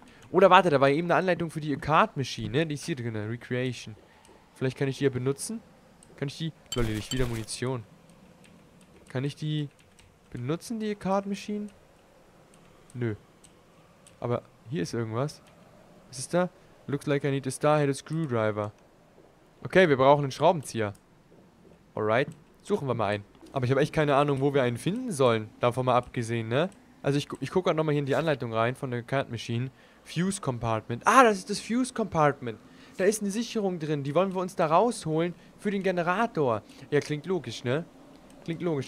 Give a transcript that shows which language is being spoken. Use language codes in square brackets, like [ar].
[de] Oder warte, da war eben eine Anleitung für die Card-Maschine. Die ist hier drin, Recreation. Vielleicht kann ich die ja benutzen. Kann ich die... Lol, hier liegt wieder Munition. Kann ich die benutzen, die Card-Maschine? Nö. Aber hier ist irgendwas. Was ist da? [en] Looks like I need a star-headed screwdriver. [de] Okay, wir brauchen einen Schraubenzieher. Alright, suchen wir mal einen. Aber ich habe echt keine Ahnung, wo wir einen finden sollen. Davon mal abgesehen, ne? Also ich gucke gerade nochmal hier in die Anleitung rein von der Card-Maschine. Fuse Compartment. Ah, das ist das Fuse Compartment. Da ist eine Sicherung drin. Die wollen wir uns da rausholen für den Generator. Ja, klingt logisch, ne? Klingt logisch.